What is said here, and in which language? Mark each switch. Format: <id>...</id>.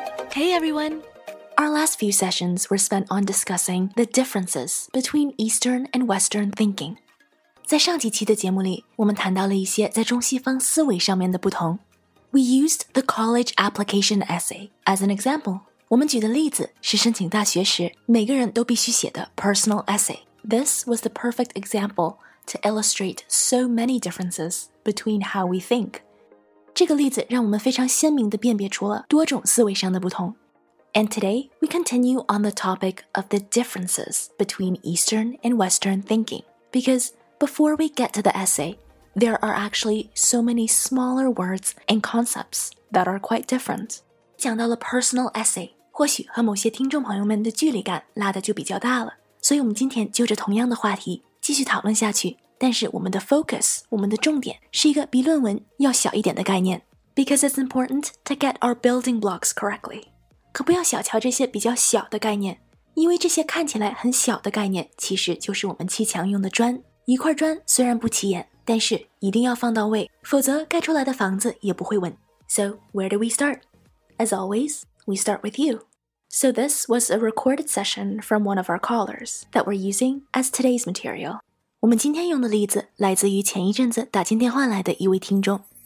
<en>Hey everyone, our last few sessions were spent on discussing the differences between Eastern and Western thinking.</en> <zh>在上几期的节目里，我们谈到了一些在中西方思维上面的不同。</zh> <en>We used the college application essay as an example.</en> <zh>我们举的例子是申请大学时每个人都必须写的 personal essay.</zh> <en>This was the perfect example to illustrate so many differences between how we think.</en> <zh>这个例子让我们非常鲜明地辨别出了多种思维上的不同。</zh> <en>And today, we continue on the topic of the differences between Eastern and Western thinking. Because before we get to the essay, there are actually so many smaller words and concepts that are quite different.</en> <zh>讲到了 personal essay, 或许和某些听众朋友们的距离感拉得就比较大了。所以我们今天就着同样的话题继续讨论下去。但是我们的 focus, 我们的重点是一个比论文要小一点的概念。</zh> <en>Because it's important to get our building blocks correctly.</en> <zh>可不要小瞧这些比较小的概念。因为这些看起来很小的概念其实就是我们砌墙用的砖。一块砖虽然不起眼但是一定要放到位否则盖出来的房子也不会稳。</zh> <en>So, where do we start? As always, we start with you. So this was a recorded session from one of our callers that we're using as today's material.</en> <zh>我们今天用的例子来自于前一阵子打进电话来的一位听众。</zh>